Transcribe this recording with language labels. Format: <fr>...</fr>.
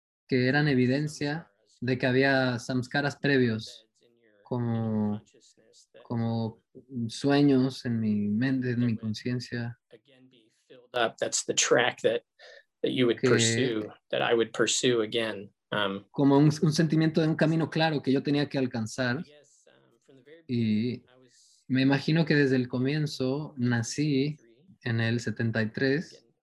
<es>eran evidencia de que había samskaras previos, como sueños en mi mente, en mi conciencia.</es> <en>That's the track that you would pursue, that I would pursue again.</en> <es>Como un sentimiento de un camino claro que yo tenía que alcanzar. Y me imagino que desde el comienzo nací en el 73.</es>